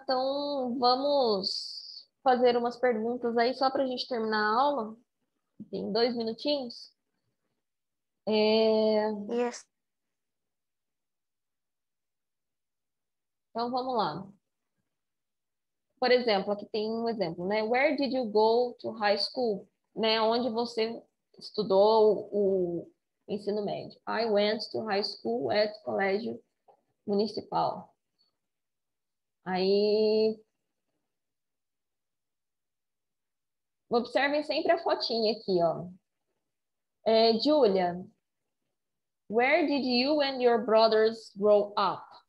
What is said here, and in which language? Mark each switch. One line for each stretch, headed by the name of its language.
Portuguese: Então, vamos fazer umas perguntas aí só para a gente terminar a aula. Tem 2 minutinhos.
English: Yes.
Portuguese: Então vamos lá. Por exemplo, aqui tem um exemplo, né?
English: Where did you go to high school?
Portuguese: Né? Onde você estudou o ensino médio?
English: I went to high school at Colégio Municipal.
Portuguese: Aí. Observem sempre a fotinha aqui, ó.
English: É, Julia, where did you and your brothers grow up?